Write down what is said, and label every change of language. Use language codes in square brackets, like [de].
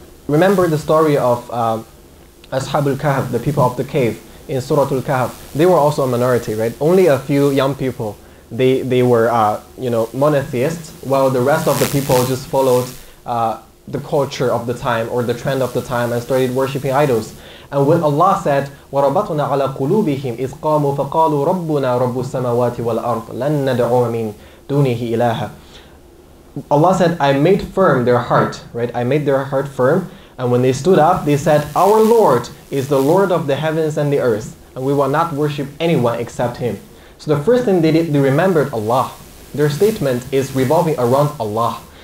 [en] Remember the story of Ashab al-Kahf, the people of the cave, in Surah al-Kahf. They were also a minority, right? Only a few young people, they were monotheists, while the rest of the people just followed the culture of the time, or the trend of the time, and started worshipping idols. And when Allah said, [ar] وَرَبَطْنَا عَلَى قُلُوبِهِمْ إِذْ قَامُوا فَقَالُوا رَبُّنَا رَبُّ السَّمَوَاتِ وَالْأَرْضِ لَن نَدْعُوَ مِنْ دُونِهِ إِلَهَ. [en] Allah said, I made firm their heart, right? I made their heart firm. And when they stood up, they said, our Lord is the Lord of the heavens and the earth, and we will not worship anyone except Him. So the first thing they did, they remembered Allah. Their statement is revolving around Allah.